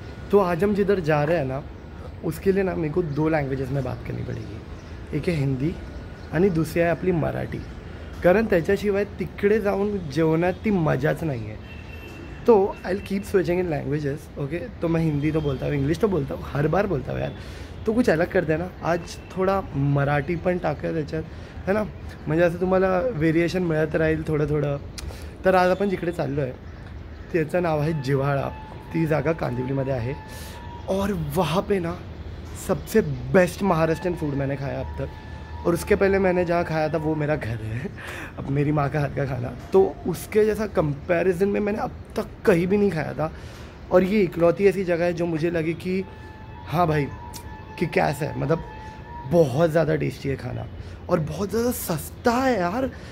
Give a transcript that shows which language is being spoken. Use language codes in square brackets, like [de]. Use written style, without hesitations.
[hi] तो आज हम जिधर जा रहे हैं ना उसके लिए ना मेरे को दो लैंग्वेजेस में बात करनी पड़ेगी. एक है हिंदी [mr] आणि दुसरी आहे आपली मराठी. कारण त्याच्याशिवाय तिकडे जाऊन जेवणात ती मजाच नाही आहे. [en] तो I will keep switching in languages. [hi] Okay, तो मैं हिंदी तो बोलता हूँ, इंग्लिश तो बोलता हूँ, हर बार बोलता हूँ यार. तो कुछ अलग कर देना, [mr] आज थोडा मराठी पण टाकूया त्याच्यात, [hi] है ना. [mr] म्हणजे असं तुम्हाला व्हेरिएशन मिळत राहील थोडं थोडं. तर आज आपण जिकडे चाललो आहे त्याचं नाव आहे जिव्हाळा. ती जागा कांदिवलीमध्ये आहे. [hi] और वहाँ पे ना सबसे बेस्ट महाराष्ट्रीयन फूड मैंने खाया अब तक. और उसके पहले मैंने जहाँ खाया था वो मेरा घर है, अब मेरी माँ का हाथ का खाना. तो उसके जैसा कंपैरिजन में मैंने अब तक कहीं भी नहीं खाया था. और ये इकलौती ऐसी जगह है जो मुझे लगी कि हाँ भाई कि कैसा है, मतलब बहुत ज़्यादा टेस्टी है खाना और बहुत ज़्यादा सस्ता है यार.